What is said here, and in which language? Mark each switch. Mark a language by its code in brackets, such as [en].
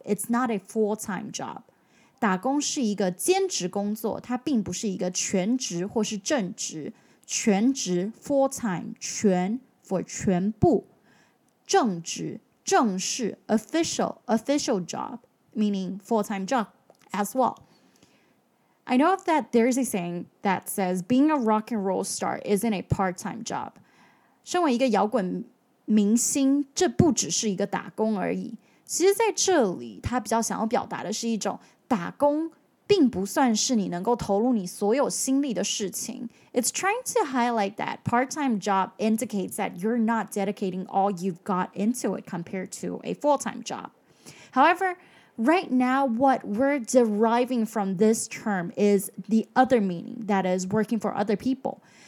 [en] It's not a full-time job. [zh] 打工是一个兼职工作, 它并不是一个全职或是正职, 全职, full-time, 全, for 全部, 正职, 正式, [en] official, official job, meaning full-time job as well. I know that there is a saying that says being a rock and roll star isn't a part-time job. [zh] 身为一个摇滚明星，这不只是一个打工而已。其实在这里，他比较想要表达的是一种打工，并不算是你能够投入你所有心力的事情. [en] It's trying to highlight that part-time job indicates that you're not dedicating all you've got into it compared to a full-time job. However, right now, what we're deriving from this term is the other meaning, that is working for other people.